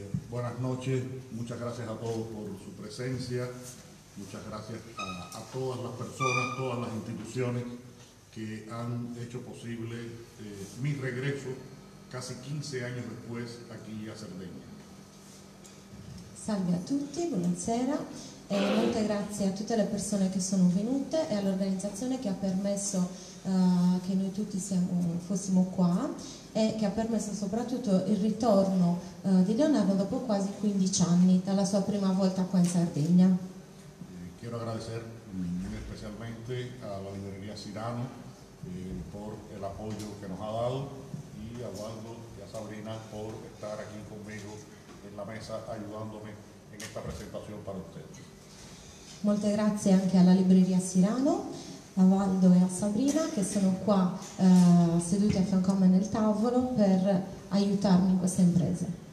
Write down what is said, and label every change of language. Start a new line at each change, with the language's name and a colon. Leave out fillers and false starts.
Spanish: Buenas noches, muchas gracias a todos por su presencia, muchas gracias a todas las personas, todas las instituciones que han hecho posible mi regreso casi 15 años después aquí a Cerdeña.
Italian: Salve a tutti, buonasera, e molte grazie a tutte le persone che sono venute e all'organizzazione che ha permesso che noi tutti fossimo qua, e che ha permesso soprattutto il ritorno di Leonardo dopo quasi 15 anni dalla sua prima volta qua in Sardegna.
Spanish: Quiero agradecer especialmente a la libreria Cyrano por el apoyo que nos ha dado, y a Waldo y a Sabrina por estar aquí conmigo en la mesa ayudándome en esta presentación para ustedes.
Italian: Molte grazie anche alla libreria Cyrano, a Waldo e a Sabrina, che sono qua seduti a fianco a me nel tavolo per aiutarmi in questa impresa.